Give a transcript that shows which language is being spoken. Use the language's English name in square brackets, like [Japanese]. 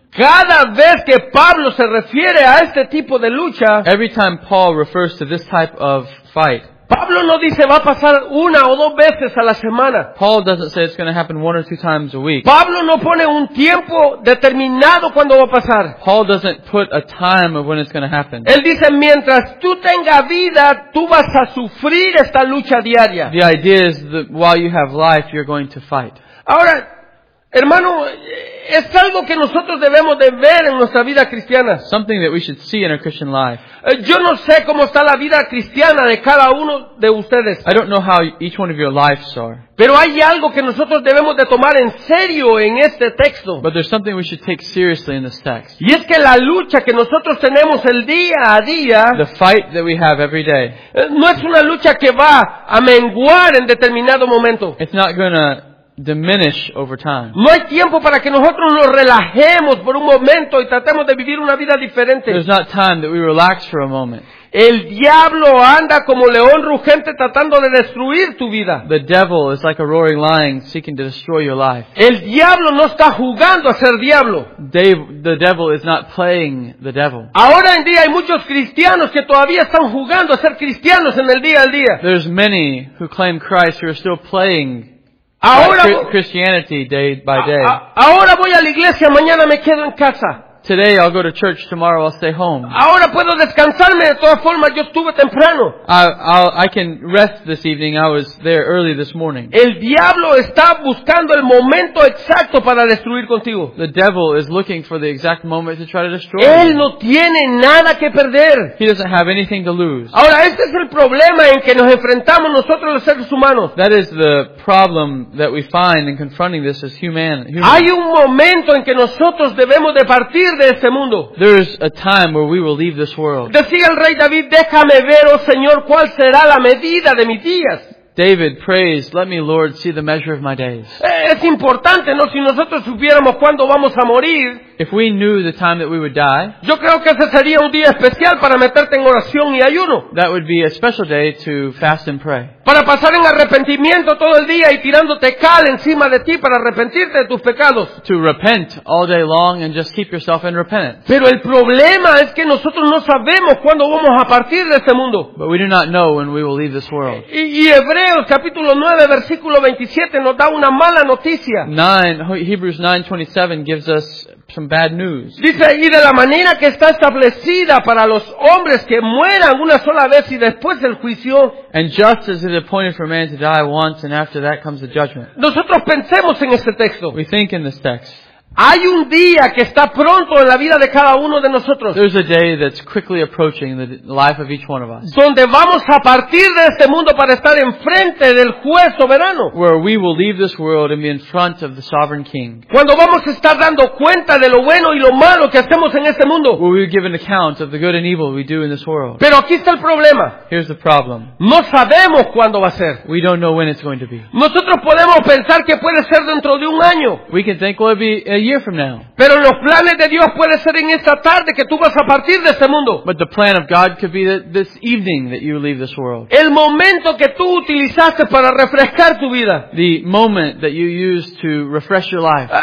[Spanish] Cada vez que Pablo se refiere a este tipo de lucha, [English] every time Paul refers to this type of fight, [Spanish] Pablo no dice va a pasar una o dos veces a la semana. [English] Paul doesn't say it's going to happen one or two times a week. [Spanish] Pablo no pone un tiempo determinado cuando va a pasar. [English] Paul doesn't put a time of when it's going to happen. [Spanish] Él dice mientras tú tengas vida, tú vas a sufrir esta lucha diaria. [English] The idea is that while you have life, you're going to fight. [Spanish] Ahora, hermano, es algo que nosotros debemos de ver en nuestra vida cristiana. [English] Something that we should see in our Christian life. [Spanish] Yo no sé cómo está la vida cristiana de cada uno de ustedes. [English] I don't know how each one of your lives are. [Spanish] Pero hay algo que nosotros debemos de tomar en serio en este texto. [English] But there's something we should take seriously in this text. [Spanish] Y es que la lucha que nosotros tenemos el día a día, [English] the fight that we have every day, [Spanish] no es una lucha que va a menguar en determinado momento. [English] It's not gonna diminish over time. [Spanish] No hay tiempo para que nosotros nos relajemos por un momento y tratemos de vivir una vida diferente. [English] There's not time that we relax for a moment. [Spanish] El diablo anda como león rugente tratando de destruir tu vida. [English] The devil is like a roaring lion seeking to destroy your life. [Spanish] El diablo no está jugando a ser diablo. [English] The devil is not playing the devil. [Spanish] Ahora en día hay muchos cristianos que todavía están jugando a ser cristianos en el día a día. [English] There's many who claim Christ who are still playing Christianity day by day. [Spanish] Ahora voy a la iglesia, mañana me quedo en casa. [English] Today I'll go to church, tomorrow I'll stay home. [Spanish] Ahora puedo descansarme, de todas formas yo estuve temprano. [English] I can rest this evening, I was there early this morning. [Spanish] El diablo está buscando el momento exacto para destruir contigo. [English] The devil is looking for the exact moment to try to destroy you. [Spanish] Él no tiene nada que perder. [English] He doesn't have anything to lose. [Spanish] Ahora este es el problema en que nos enfrentamos nosotros los seres humanos. [English] That is the problem that we find in confronting this as humanity. [Spanish] Hay un momento en que nosotros debemos de partir. [English] There is a time where we will leave this world. [Spanish] Decía el rey David, déjame ver, oh Señor, cuál será la medida de mis días. [English] David prays, let me, Lord, see the measure of my days. [Spanish] Es importante, ¿no? Si nosotros supiéramos cuándo vamos a morir, [English] if we knew the time that we would die, [Spanish] yo creo que ese sería un día especial para meterte en oración y ayuno. [English] That would be a special day to fast and pray. [Spanish] Para pasar en arrepentimiento todo el día y tirándote cal encima de ti para arrepentirte de tus pecados. [English] To repent all day long and just keep yourself in repentance. [Spanish] Pero el problema es que nosotros no sabemos cuándo vamos a partir de este mundo. [English] But we do not know when we will leave this world. [Spanish] Y Hebreos capítulo 9 versículo 27 nos da una mala noticia. [English] Hebrews 9:27 gives us some bad news. [Spanish] Dice, y de la manera que está establecida para los hombres que mueran una sola vez y después el juicio. [English] And just as it is appointed for man to die once and after that comes the judgment. [Spanish] Nosotros pensemos en este texto. [English] We think in this text. [Spanish] Hay un día que está pronto en la vida de cada uno de nosotros. [English] There's a day that's quickly approaching the life of each one of us. [Spanish] Donde vamos a partir de este mundo para estar enfrente del juez soberano. [English] Where we will leave this world and be in front of the sovereign king. [Spanish] Cuando vamos a estar dando cuenta de lo bueno y lo malo que hacemos en este mundo. [English] Where we will give an account of the good and evil we do in this world. [Spanish] Pero aquí está el problema. [English] Here's the problem. [Spanish] No sabemos cuándo va a ser. [English] We don't know when it's going to be. [Spanish] Nosotros podemos pensar que puede ser dentro de un año. [English] We can think it'll be a year from now. [Spanish] Pero los planes de Dios puede ser en esta tarde que tú vas a partir de este mundo. [English] But the plan of God could be that this evening that you leave this world. [Spanish] El momento que tú utilizaste para refrescar tu vida. [English] The moment that you used to refresh your life.